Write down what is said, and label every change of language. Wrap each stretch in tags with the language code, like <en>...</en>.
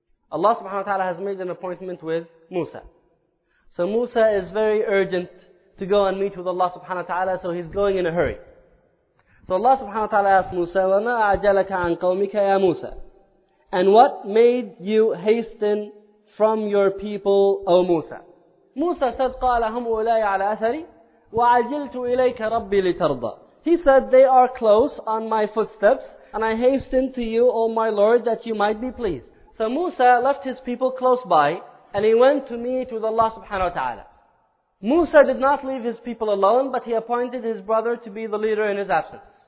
<en>Allah subhanahu wa ta'ala has made an appointment with Musa. So Musa is very urgent to go and meet with Allah subhanahu wa ta'ala, so he's going in a hurry. So Allah subhanahu wa ta'ala asked Musa,</en> <ar>وَمَا أَعْجَلَكَ عَنْ قَوْمِكَ يَا مُوسَى.</ar> <en>And what made you hasten from your people, O Musa? Musa said,</en> <ar>قَالَ هُمْ أُولَيَ عَلَى أَثَرِي وَعَجِلْتُ إِلَيْكَ رَبِّي لِتَرْضَى.</ar> <en>He said, they are close on my footsteps, and I hasten to you, O my Lord, that you might be pleased. So Musa left his people close by, and he went to meet with Allah subhanahu wa ta'ala. Musa did not leave his people alone, but he appointed his brother to be the leader in his absence.</en>